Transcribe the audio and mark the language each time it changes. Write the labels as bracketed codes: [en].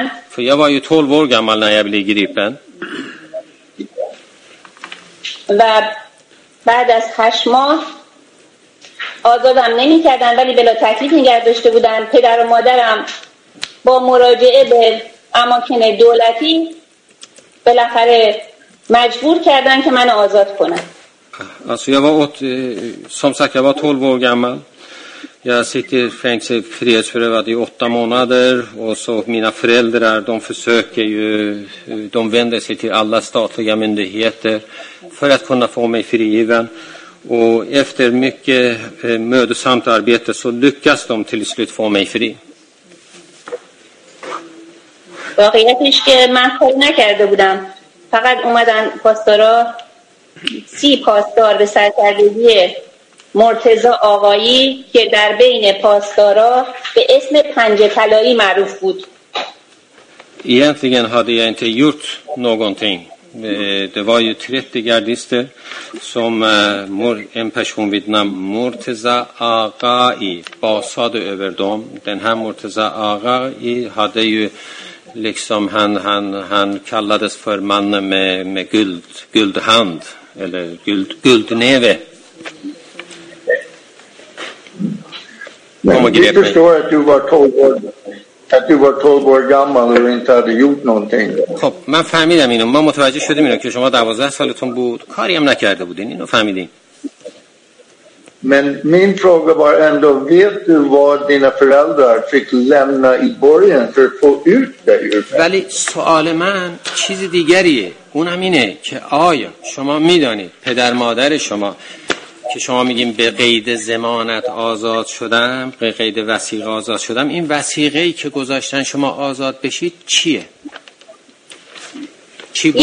[sv] För jag var ju 12 år gammal när jag blev gripen. [fa] اما کن دولتی بالاخره مجبور کردن که منو آزاد کنن. [sv] Alltså jag var som sagt jag var 12 år gammal. Jag sitter fängslad i frihetsberövad i 8 månader och så mina föräldrar de försöker ju, de vänder sig till alla statliga myndigheter för att kunna få mig frigiven. Och efter mycket mödosamt arbete så lyckas de till slut få mig fri. [fa] واقعیتش که من کاری نکرده بودم، فقط اومدن پاسدارا 30 پاسدار به سرکردگی مرتضی آقایی که در بین پاسدارا به اسم پنج طلایی معروف بود. [sv] Egentligen hade jag inte gjort någonting. Det var ju 30 gardister som en person vid namn Murtaza Agai basade över dem. Den här Murtaza Agai hade ju liksom han kallades för mannen med guldhand eller guldneve. Jag förstår att du var 12 år. Att du var 12 år gammal och inte hade gjort någonting. [fa] خب من فهمیدم اینو. من متوجه شدم اینو که شما 12 سالتون بود. کاری هم نکرده بودین. اینو فهمیدین. [sv] Men min fråga var ändå, vet du vad dina föräldrar fick lämna i borgen för att få ut dig? [fa] ولی سوال من چیز دیگریه. اونم اینه که آیا شما میدانید پدر مادر شما که شما میگیم به قید ضمانت آزاد شدم، به قید وثیقه آزاد شدم، این وثیقه ای که گذاشتن شما آزاد بشید چیه؟ چی بود؟